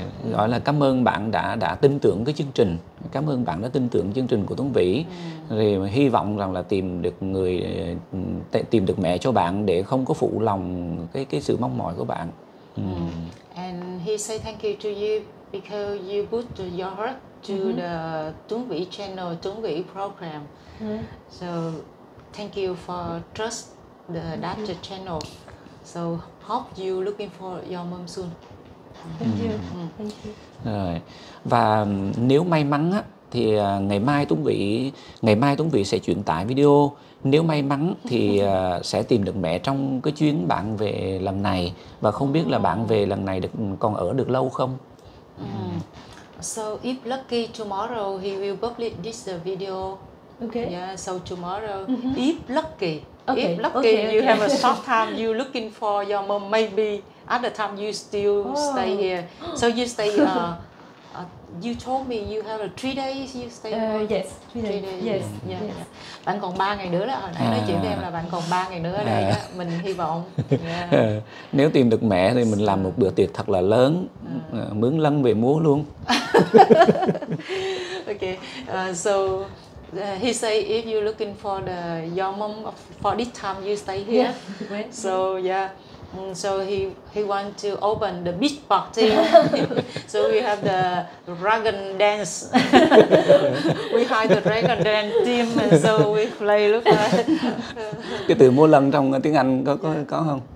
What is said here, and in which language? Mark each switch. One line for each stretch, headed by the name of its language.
Vietnamese: Gọi là cảm ơn bạn đã tin tưởng cái chương trình. Cảm ơn bạn đã tin tưởng chương trình của Tuấn Vĩ. Rồi hy vọng rằng là tìm được mẹ cho bạn để không có phụ lòng cái sự mong mỏi của bạn.
English: And he say thank you to you because you put your heart to the Tuấn Vĩ channel, Tuấn Vĩ program. So thank you for trust the that channel. So hope you looking for your mom soon. Thank you.
Vietnamese: Rồi. Và nếu may mắn á, thì ngày mai Tuấn Vĩ sẽ truyền tải video. Nếu may mắn thì sẽ tìm được mẹ trong cái chuyến bạn về lần này. Và không biết là bạn về lần này còn ở được lâu không.
English: So if lucky tomorrow he will publish this video. Okay. Yeah, so tomorrow if lucky. Okay. If lucky you have a short time you looking for your mom maybe. At the time you still stay here, so you stay. You told me you have a 3 days you stay. Yes, three days. Yes, yeah. Yes.
Vietnamese: Bạn còn 3 ngày nữa đó. Nói chuyện với em là bạn còn 3 ngày nữa ở đây. Mình hy vọng. Nếu tìm được mẹ thì mình làm một bữa tiệc thật là lớn, mướn lân về múa luôn.
English: Okay, so. He say if you looking for the your mom for this time you stay here. Yeah. So yeah. So he want to open the beach party. So we have the dragon dance. We hire the dragon dance team and so we play look like.
Vietnamese: Cái từ múa lân trong tiếng Anh có không?